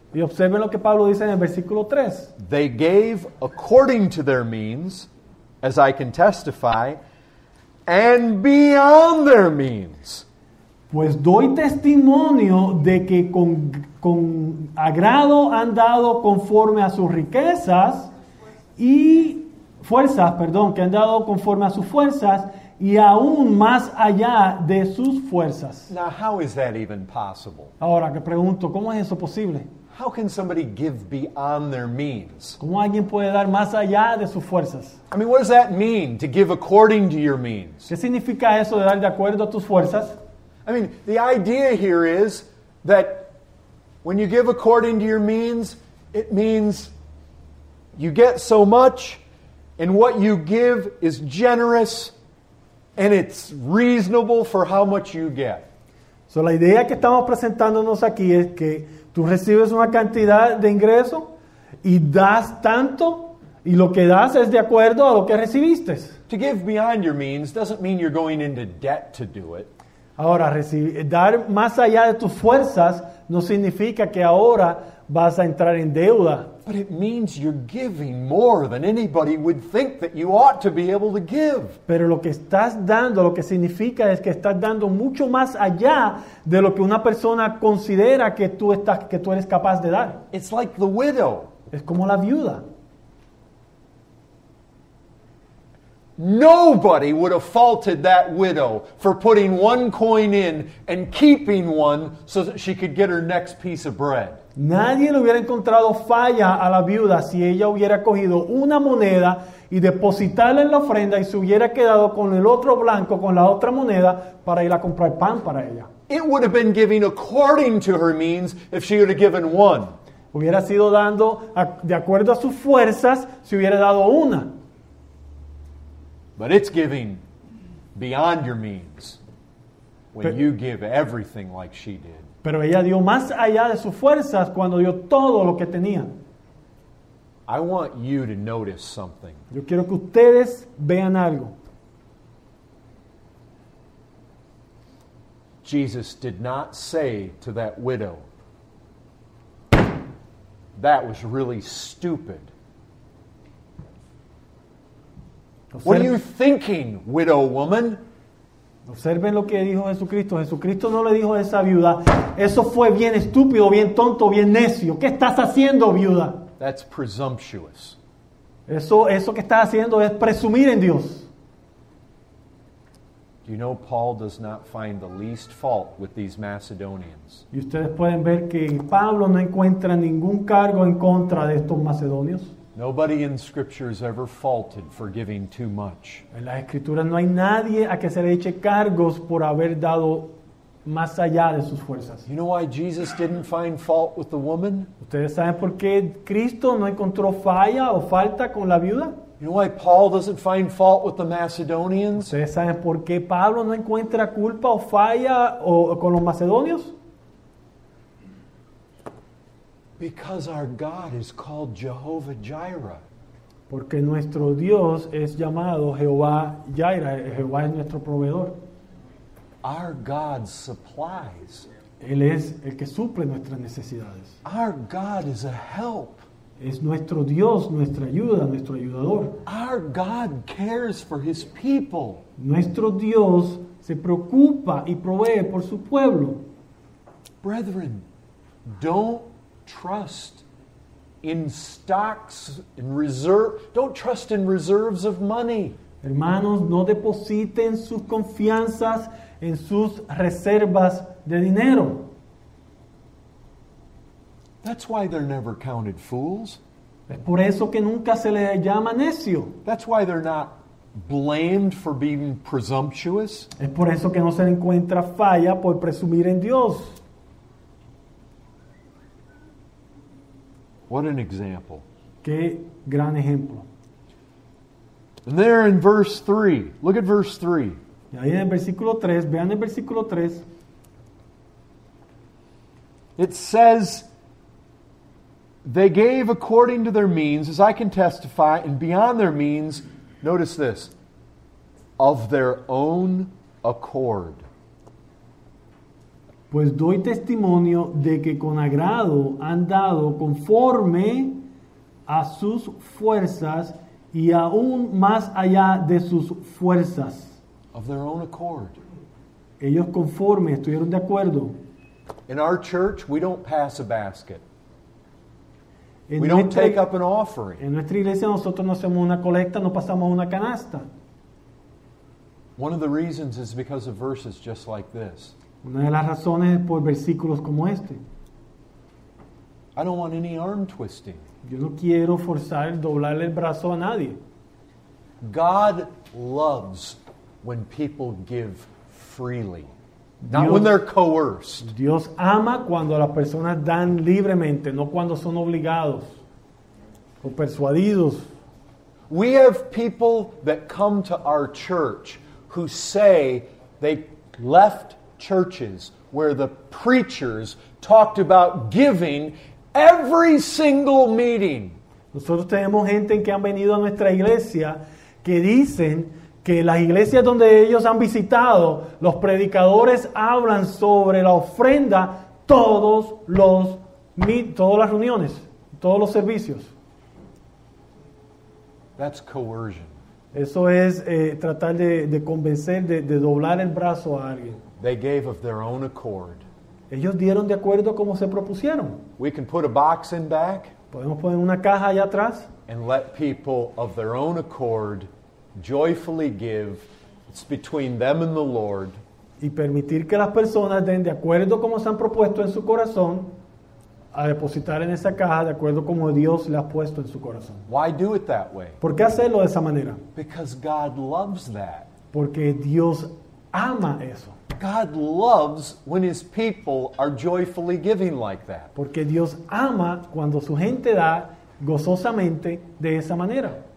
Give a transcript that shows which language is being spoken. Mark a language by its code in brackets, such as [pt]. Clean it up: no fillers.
[es] Y observen lo que Pablo dice en el versículo 3. [en] They gave according to their means, as I can testify, and beyond their means. [es] Pues doy testimonio de que con agrado han dado conforme a sus riquezas y fuerzas, perdón, que han dado conforme a sus fuerzas y aún más allá de sus fuerzas. [en] Now, how is that even possible? [es] Ahora, que pregunto, ¿cómo es eso posible? [en] How can somebody give beyond their means? [es] ¿Cómo alguien puede dar más allá de sus fuerzas? [en] I mean, what does that mean, to give according to your means? [es] ¿Qué significa eso de dar de acuerdo a tus fuerzas? [en] I mean, the idea here is that when you give according to your means, it means you get so much. And what you give is generous, and it's reasonable for how much you get. [es] So la idea que estamos presentándonos aquí es que tú recibes una cantidad de ingreso y das tanto, y lo que das es de acuerdo a lo que recibiste. [en] To give beyond your means doesn't mean you're going into debt to do it. [es] Ahora, dar más allá de tus fuerzas no significa que ahora vas a entrar en deuda. [en] But it means you're giving more than anybody would think that you ought to be able to give. [es] Pero lo que estás dando, lo que significa es que estás dando mucho más allá de lo que una persona considera que tú eres capaz de dar. [en] It's like the widow. [es] Es como la viuda. [en] Nobody would have faulted that widow for putting one coin in and keeping one so that she could get her next piece of bread. [es] Nadie le hubiera encontrado falla a la viuda si ella hubiera cogido una moneda y depositarla en la ofrenda y se hubiera quedado con el otro blanco, con la otra moneda, para ir a comprar pan para ella. [en] It would have been giving according to her means if she would have given one. [es] Hubiera sido dando de acuerdo a sus fuerzas si hubiera dado una. [en] But it's giving beyond your means when you give everything like she did. [es] Pero ella dio más allá de sus fuerzas cuando dio todo lo que tenía. [en] I want you to notice something. [es] Yo quiero que ustedes vean algo. [en] Jesus did not say to that widow, "That was really stupid. What are you thinking, widow woman?" [es] Observen lo que dijo Jesucristo. Jesucristo no le dijo a esa viuda, "Eso fue bien estúpido, bien tonto, bien necio. ¿Qué estás haciendo, viuda?" [en] That's presumptuous. [es] Eso que estás haciendo es presumir en Dios. [en] You know, Paul does not find the least fault with these Macedonians. [es] Y ustedes pueden ver que Pablo no encuentra ningún cargo en contra de estos macedonios. [en] Nobody in Scripture is ever faulted for giving too much. [es] En las Escrituras no hay nadie a que se le eche cargos por haber dado más allá de sus fuerzas. [en] You know why Jesus didn't find fault with the woman? [es] ¿Ustedes saben por qué Cristo no encontró falla o falta con la viuda? [en] You know why Paul doesn't find fault with the Macedonians? [es] ¿Ustedes saben por qué Pablo no encuentra culpa o falla o con los macedonios? [en] Because our God is called Jehovah Jireh. [es] Porque nuestro Dios es llamado Jehová Jireh. Jehová es nuestro proveedor. [en] Our God supplies. [es] Él es el que suple nuestras necesidades. [en] Our God is a help. [es] Es nuestro Dios, nuestra ayuda, nuestro ayudador. [en] Our God cares for his people. [es] Nuestro Dios se preocupa y provee por su pueblo. [en] Brethren, don't trust in stocks and reserve. Don't trust in reserves of money. [es] Hermanos, no depositen sus confianzas en sus reservas de dinero. [en] That's why they're never counted fools. [es] Es por eso que nunca se les llama necio. [en] That's why they're not blamed for being presumptuous. [es] Es por eso que no se encuentra falla por presumir en Dios. [en] What an example. [es] Qué gran ejemplo. [en] And there in verse 3, look at verse 3. [es] Y ahí en el versículo 3, vean el versículo 3. [en] It says, they gave according to their means, as I can testify, and beyond their means, notice this, of their own accord. [es] Pues doy testimonio de que con agrado han dado conforme a sus fuerzas y aún más allá de sus fuerzas. [en] Of their own accord. [es] Ellos conforme estuvieron de acuerdo. [en] In our church, we don't pass a basket. We don't take up an offering. [es] En nuestra iglesia nosotros no hacemos una colecta, no pasamos una canasta. [en] One of the reasons is because of verses just like this. [es] Una de las razones es por versículos como este. [en] I don't want any arm twisting. [es] Yo no quiero forzar, doblarle el brazo a nadie. [en] God loves when people give freely. Not when they're coerced. [es] Dios ama cuando las personas dan libremente, no cuando son obligados o persuadidos. [en] We have people that come to our church who say they left churches where the preachers talked about giving every single meeting. [es] Nosotros tenemos gente que han venido a nuestra iglesia que dicen que las iglesias donde ellos han visitado, los predicadores hablan sobre la ofrenda todas las reuniones, todos los servicios. [en] That's coercion. [es] Eso es tratar de convencer, de doblar el brazo a alguien. [en] They gave of their own accord. [es] Ellos dieron de acuerdo como se propusieron. [en] We can put a box in back. [es] Podemos poner una caja allá atrás. [en] And let people of their own accord joyfully give. It's between them and the Lord. [es] Y permitir que las personas den de acuerdo como se han propuesto en su corazón a depositar en esa caja de acuerdo como Dios le ha puesto en su corazón. [en] Why do it that way? [es] ¿Por qué hacerlo de esa manera? [en] Because God loves that. [es] Porque Dios ama eso. [en] God loves when his people are joyfully giving like that. [es] Porque Dios ama cuando su gente da gozosamente de esa manera.